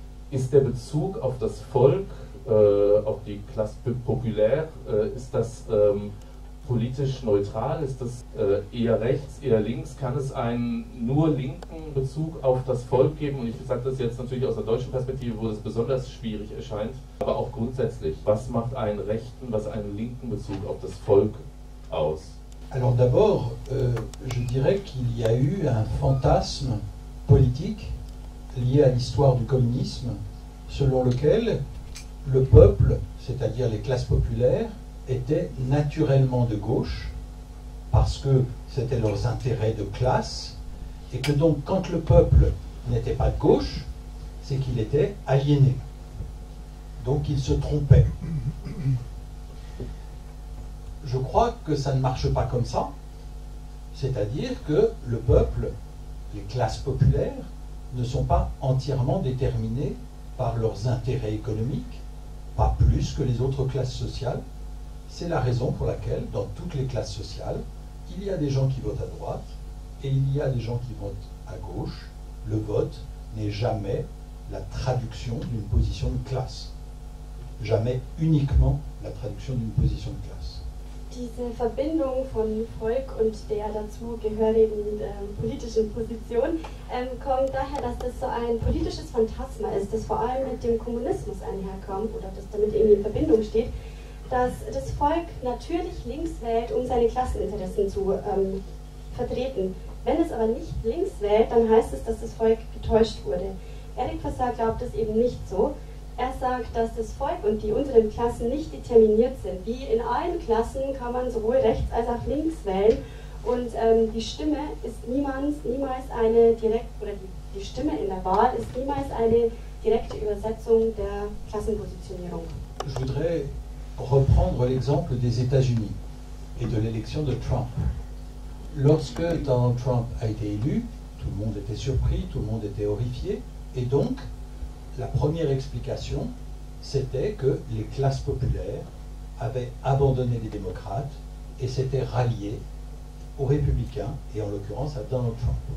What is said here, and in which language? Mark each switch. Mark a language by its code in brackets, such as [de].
[de] Ist der Bezug auf das Volk, auf die Classe populaire, ist das politisch neutral? Ist das eher rechts, eher links? Kann es einen nur linken Bezug auf das Volk geben? Und ich sage das jetzt natürlich aus der deutschen Perspektive, wo das besonders schwierig erscheint. Aber auch grundsätzlich, was macht einen rechten, was einen linken Bezug auf das Volk aus? [fr] Alors d'abord, je dirais qu'il y a eu un fantasme politique lié à l'histoire du communisme, selon lequel le peuple, c'est-à-dire les classes populaires, étaient naturellement de gauche parce que c'était leurs intérêts de classe et que donc quand le peuple n'était pas de gauche, c'est qu'il était aliéné. Donc il se trompait. Je crois que ça ne marche pas comme ça, c'est-à-dire que le peuple, les classes populaires, ne sont pas entièrement déterminées par leurs intérêts économiques, pas plus que les autres classes sociales. C'est la raison pour laquelle, dans toutes les classes sociales, il y a des gens qui votent à droite et il y a des gens qui votent à gauche. Le vote n'est jamais la traduction d'une position de classe. Jamais uniquement la traduction d'une position de classe. [de] diese Verbindung von Volk und der dazugehörigen politischen Position kommt daher, dass das so ein politisches Phantasma ist, das vor allem mit dem Kommunismus einherkommt oder das damit irgendwie in Verbindung steht, dass das Volk natürlich links wählt, um seine Klasseninteressen zu vertreten. Wenn es aber nicht links wählt, dann heißt es, dass das Volk getäuscht wurde. Eric Fassard glaubt es eben nicht so. Er sagt, dass das Volk und die unteren Klassen nicht determiniert sind. Wie in allen Klassen kann man sowohl rechts als auch links wählen. Und die Stimme ist niemals eine direkte, oder die Stimme in der Wahl ist niemals eine direkte Übersetzung der Klassenpositionierung. [fr] Je voudrais reprendre l'exemple des États-Unis et de l'élection de Trump. Lorsque Donald Trump a été élu, tout le monde était surpris, tout le monde était horrifié, et donc la première explication, c'était que les classes populaires avaient abandonné les démocrates et s'étaient ralliées aux républicains, et en l'occurrence à Donald Trump.